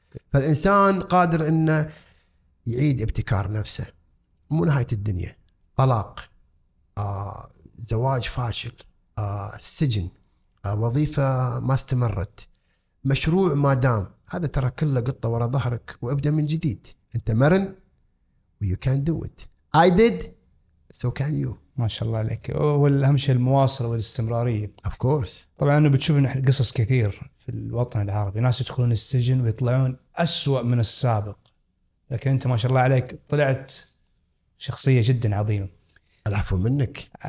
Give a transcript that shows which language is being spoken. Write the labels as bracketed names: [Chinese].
[Arabic] فالإنسان قادر إنه يعيد ابتكار نفسه. مو نهاية الدنيا، طلاق، زواج فاشل، سجن، وظيفة ما استمرت، مشروع ما دام، هذا ترى كله قطة ورا ظهرك، وابدأ من جديد. انت مرن [English] you can do it. I did so can you. [Arabic] ما شاء الله عليك. والأهم شيء المواصلة والاستمرارية. [English] Of course. [Arabic] طبعا انه بتشوف ان قصص كثير في الوطن العربي، ناس يدخلون السجن ويطلعون أسوأ من السابق، لكن انت ما شاء الله عليك طلعت شخصية جدا عظيمة. العفو منك.